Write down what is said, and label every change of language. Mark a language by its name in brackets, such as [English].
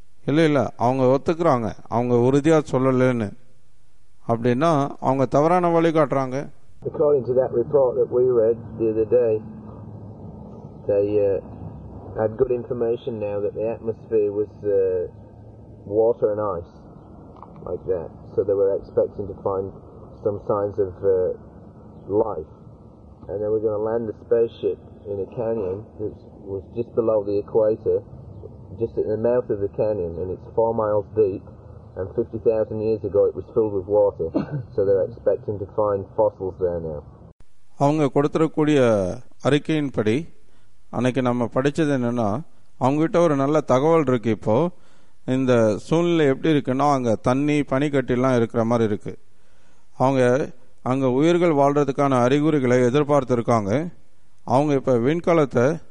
[Tamil] இல்ல இல்ல, அவங்க ஒத்துக்கிறாங்க, அவங்க உறுதியா சொல்லலன்னு. அப்படின்னா அவங்க தவறான வழி காட்டுறாங்க. [English] According to that report that we read the other day, they had good information now that the atmosphere was water and ice like that, so they were expecting to find some signs of life, and they were going to land the spaceship in a canyon that was just below the equator, just at the mouth of the canyon, and it's 4 miles deep, and 50,000 years ago it was filled with water, so they're expecting to find fossils there now. [Tamil] அவங்க கொடுத்திருக்கிற அறிக்கையின்படி அன்னைக்கு நம்ம படிச்சது என்னன்னா, அவங்ககிட்ட ஒரு நல்ல தகவல் இருக்கு. இப்போ இந்த சூழ்நிலை எப்படி இருக்குன்னா, அங்கே தண்ணி பனிக்கட்டிலாம் இருக்கிற மாதிரி இருக்கு. அவங்க அங்கே உயிர்கள் வாழ்றதுக்கான அறிகுறிகளை எதிர்பார்த்துருக்காங்க. அவங்க இப்போ விண்கலத்தை